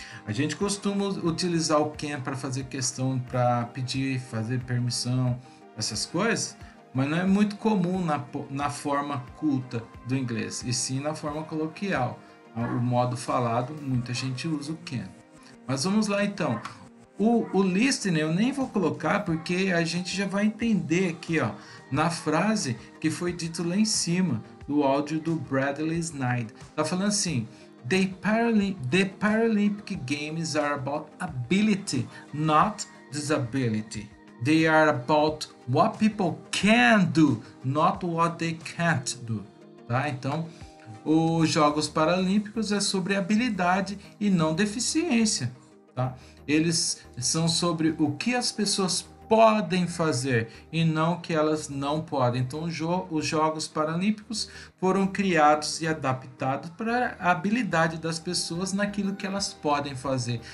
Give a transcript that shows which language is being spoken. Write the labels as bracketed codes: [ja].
[pt] A gente costuma utilizar o can para fazer questão, para pedir, fazer permissão, essas coisas, mas não é muito comum na forma culta do inglês, e sim na forma coloquial. O modo falado, muita gente usa o can. Mas vamos lá então. O listening eu nem vou colocar, porque a gente já vai entender aqui, ó, na frase que foi dito lá em cima, do áudio do Bradley Snyder. Tá falando assim: [en] The Paralympic Games are about ability, not disability. They are about what people can do, not what they can't do. [pt] Tá? Então, os Jogos Paralímpicos é sobre habilidade e não deficiência. Tá? Eles são sobre o que as pessoas podem fazer e não que elas não podem. Então, os Jogos Paralímpicos foram criados e adaptados para a habilidade das pessoas naquilo que elas podem fazer.